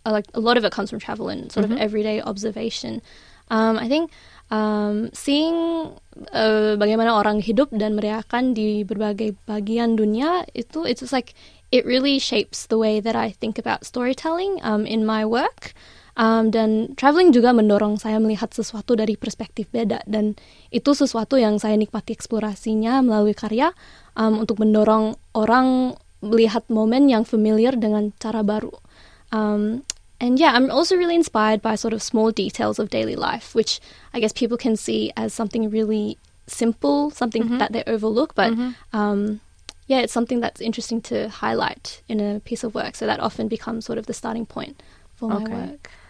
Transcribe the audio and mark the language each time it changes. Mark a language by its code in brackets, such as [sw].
[en] Like a lot of it comes from travel and sort of everyday observation. I think seeing [id] bagaimana orang hidup dan merayakan di berbagai bagian dunia itu, [en] it's just like it really shapes the way that I think about storytelling in my work. [id] Dan traveling juga mendorong saya melihat sesuatu dari perspektif beda dan itu sesuatu yang saya nikmati eksplorasinya melalui karya untuk mendorong orang melihat momen yang familiar dengan cara baru. [en] I'm also really inspired by sort of small details of daily life, which I guess people can see as something really simple, something that they overlook, but it's something that's interesting to highlight in a piece of work, so that often becomes sort of the starting point for my work.